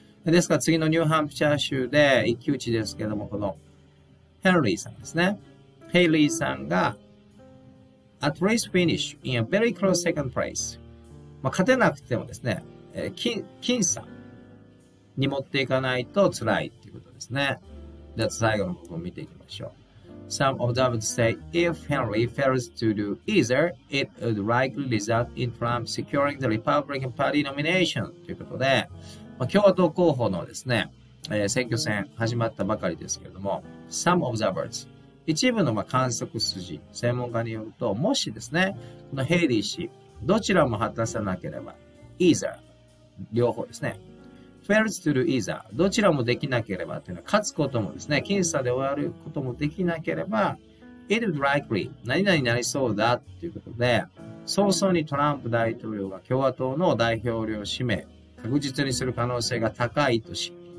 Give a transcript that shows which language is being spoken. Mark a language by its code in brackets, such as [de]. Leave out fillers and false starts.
[ja] ですから次のニューハンプシャー州で一騎打ちですけども、このヘンリーさんですね、ヘイリーさんが [en] at race finish in a very close second place、 [ja] まあ、勝てなくてもですね、僅差に持っていかないと辛いということですね。じゃあ最後の部分を見ていきましょう。 [en] Some observers say if Henry fails to do either, it would likely result in Trump securing the Republican Party nomination. [ja] ということで、まあ、共和党候補のですね、選挙戦始まったばかりですけれども、Some observers、一部のまあ観測筋、専門家によると、もしですね、このヘイリー氏、どちらも果たさなければ、either、両方ですね、Fails to do either、どちらもできなければというのは、勝つこともですね、僅差で終わることもできなければ、It would likely 何々になりそうだということで、早々にトランプ大統領が共和党の代表領指名、確実にする可能性が高いとし、